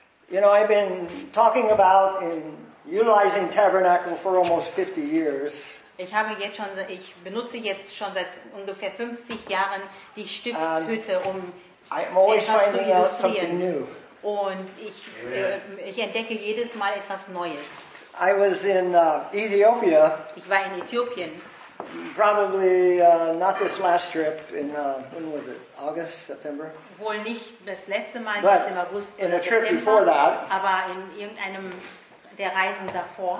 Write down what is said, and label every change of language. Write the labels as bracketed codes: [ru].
[en] You know, I've been talking about in utilizing Tabernacle for almost 50 years. [de] Ich benutze jetzt schon seit ungefähr 50 Jahren die Stiftshütte, um etwas zu illustrieren. Und ich entdecke jedes Mal etwas Neues. [en] I was in Ethiopia. [de] Ich war in Äthiopien. [en] Probably not this last trip in when was it? August, September? [de] Wohl nicht das letzte Mal, nicht im August. [en] In a trip before that. [de] Aber in irgendeinem der Reisen davor.